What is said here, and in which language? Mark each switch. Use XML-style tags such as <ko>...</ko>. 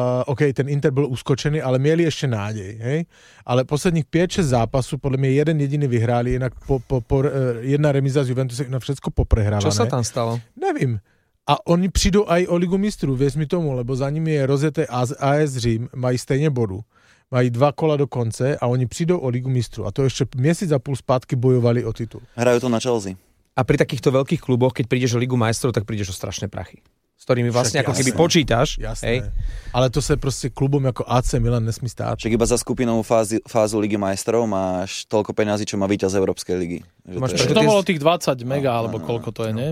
<sk>Ten Inter bol uskočený, ale mieli ešte nádej. Hej? Ale posledných 5-6 zápasov podľa mňa jeden jediný vyhráli, inak jedna remiza z Juventusa, inak všetko poprehrávané. Čo sa tam stalo?</sk> <cs>Nevím. A oni přijdou aj o Ligu mistrů, věř mi tomu, lebo za nimi je rozjeté AS Řím, mají stejně bodu. Mají 2 kola do konce a oni přijdou o Ligu mistrů. A to ještě měsíc a půl zpátky bojovali o titul. Hrajou to na Chelsea.</cs> <sk>A pri takýchto velkých kluboch, keď prídeš o Ligu majstrov, tak prídeš o strašné prachy. S ktorými vlastne ako keby počítaš. Jasné. Hej. Ale to sa proste klubom ako AC Milan nesmí stáť. Však iba za skupinovú fázu Ligy majstrov máš toľko peňazí, čo má víťaz Európskej ligy. To bolo tých 20 mega, alebo koľko to je, nie?</sk>